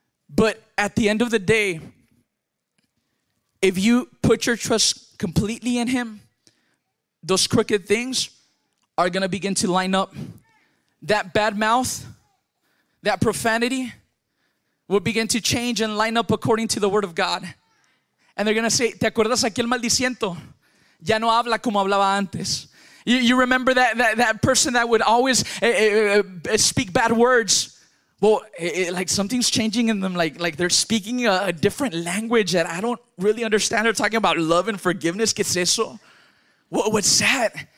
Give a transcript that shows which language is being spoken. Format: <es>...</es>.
<en>But at the end of the day, if you put your trust completely in him, those crooked things are going to begin to line up. That bad mouth, that profanity will begin to change and line up according to the word of God.</en> <es>And they're going to say, ¿te acuerdas aquel maldiciento? Ya no habla como hablaba antes.</es> <en>You remember that person that would always speak bad words? Well, like something's changing in them. Like they're speaking a different language that I don't really understand. They're talking about love and forgiveness.</en> <es>¿Qué es eso?</es> <en>What's that?</en>